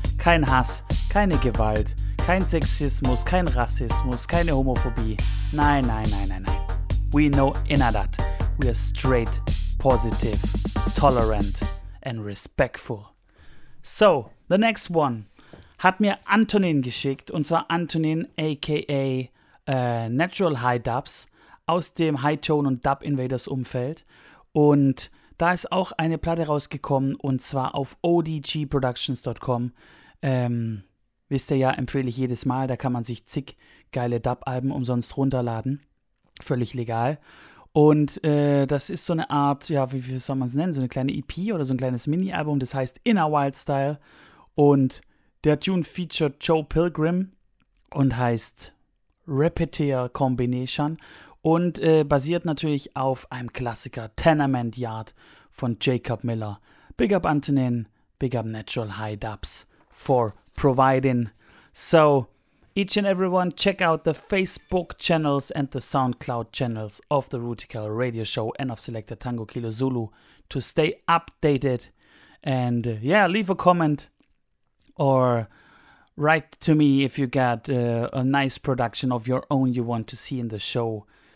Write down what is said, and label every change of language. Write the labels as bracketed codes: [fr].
[de] Kein Hass, keine Gewalt, kein Sexismus, kein Rassismus, keine Homophobie. Nein, nein, nein, nein, nein. [en] We know inna that. We are straight, positive, tolerant and respectful. So, the next one. [de] Hat mir Antonin geschickt, und zwar Antonin aka Natural High Dubs aus dem High Tone und Dub Invaders Umfeld. Und da ist auch eine Platte rausgekommen, und zwar auf odgproductions.com. Wisst ihr ja, empfehle ich jedes Mal, da kann man sich zig geile Dub-Alben umsonst runterladen. Völlig legal. Und das ist so eine Art, ja, wie soll man es nennen, so eine kleine EP oder so ein kleines Mini-Album, das heißt Inner Wild Style. Und der Tune featured Joe Pilgrim und heißt Repeater Combination und basiert natürlich auf einem Klassiker, Tenement Yard von Jacob Miller. Big up Antonin, [en] Big up Natural High Dubs for providing. So each and everyone, check out the Facebook channels and the SoundCloud channels of the Rootikal Radio Show and of Selector Tango Kilo Zulu to stay updated. And yeah, leave a comment or write to me if you got a nice production of your own you want to see in the show.